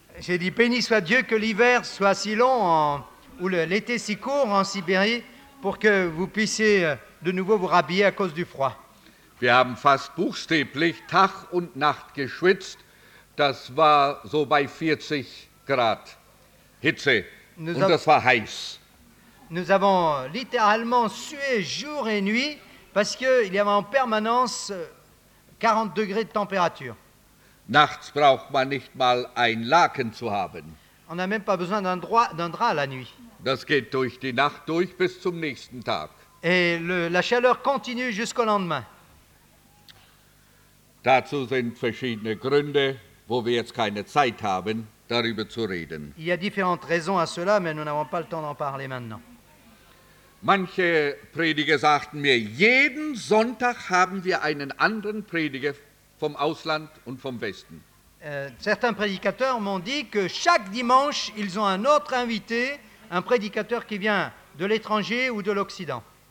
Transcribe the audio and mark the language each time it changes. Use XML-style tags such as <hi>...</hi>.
<fr>J'ai dit, béni soit Dieu que l'hiver soit si long ou l'été si court en Sibérie pour que vous puissiez de nouveau vous rhabiller à cause du froid.</fr> <de>Wir haben fast buchstäblich Tag und Nacht geschwitzt. Das war so bei 40 Grad Hitze. Nous und das war heiß.</de> <fr>Nous avons littéralement sué jour et nuit parce qu'il y avait en permanence 40 degrés de température.</fr> <de>Nachts braucht man nicht mal ein Laken zu haben.</de> <fr>On n'a même pas besoin d'un drap la nuit.</fr> <de>Das geht durch die Nacht durch bis zum nächsten Tag.</de> <fr>Et la chaleur continue jusqu'au lendemain.</fr> <de>Dazu sind verschiedene Gründe, wo wir jetzt keine Zeit haben, darüber zu reden.</de> <fr>Il y a différentes raisons à cela, mais nous n'avons pas le temps d'en parler maintenant.</fr> <de>Manche Prediger sagten mir, jeden Sonntag haben wir einen anderen Prediger vom Ausland und vom Westen.</de> <fr>Certains prédicateurs m'ont dit que chaque dimanche, ils ont un autre invité, un prédicateur qui vient de l'étranger ou de l'Occident.</fr>